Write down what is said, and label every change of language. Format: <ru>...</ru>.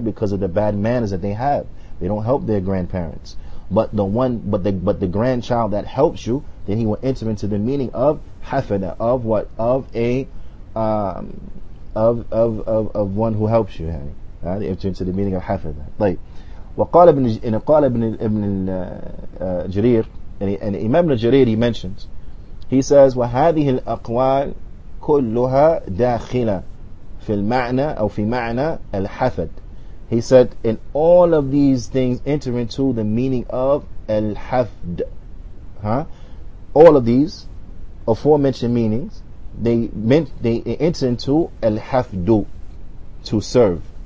<en>Because of the bad manners that they have. They don't help their grandparents. But the grandchild that helps you, then he will enter into the meaning of hafada, of what? Of a of one who helps you, honey. They enter into the meaning of hafada. Like</en> <ar>وقال ابن ان قال ابن ابن جرير</ar> <en>and Imam al-Jarir, he mentions, he says</en> <ar>وهذه الأقوال كلها داخلة في المعنى أو في معنى الحفد.</ar> <en>He said, and all of these things enter into the meaning of al-hafd. Huh? All of these aforementioned meanings, they enter into al-hafdu, to serve.</en>